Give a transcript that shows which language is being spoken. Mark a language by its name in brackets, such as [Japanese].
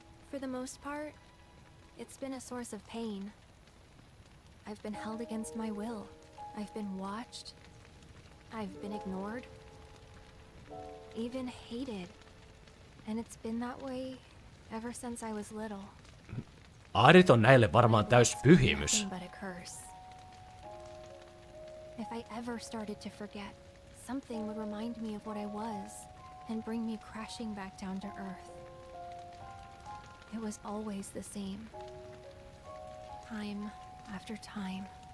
[English] For the most part, it's been a source of pain. I've been held against my will, I've been watched, I've been ignored, even hated. And it's been that way ever since I was little. [Finnish] Aerit on näille varmaan täys pyhimys. [English] If I ever started to forget, something would remind me of what I was and bring me crashing back down to earth. It was always the same. Time after time.